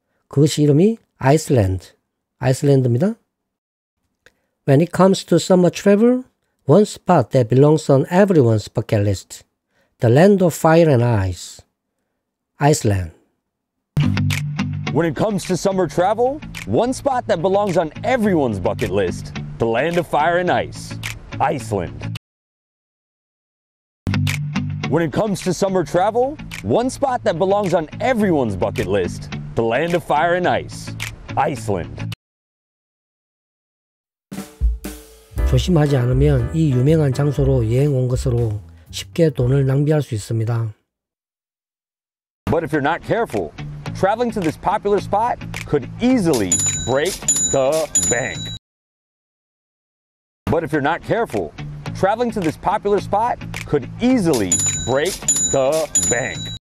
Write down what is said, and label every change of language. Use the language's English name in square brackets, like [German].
[Korean] 그것이 이름이 아이슬란드, 아이슬란드입니다. [English] When it comes to summer travel, one spot that belongs on everyone's bucket list, the land of fire and ice, Iceland. When it comes to summer travel, one spot that belongs on everyone's bucket list, the land of fire and ice, Iceland. When it comes to summer travel, one spot that belongs on everyone's bucket list, the land of fire and ice, Iceland. [Korean] 조심하지 않으면 이 유명한 장소로 여행 온 것으로 쉽게 돈을 낭비할 수 있습니다. [English] But if you're not careful, traveling to this popular spot could easily break the bank. But if you're not careful, traveling to this popular spot could easily break the bank.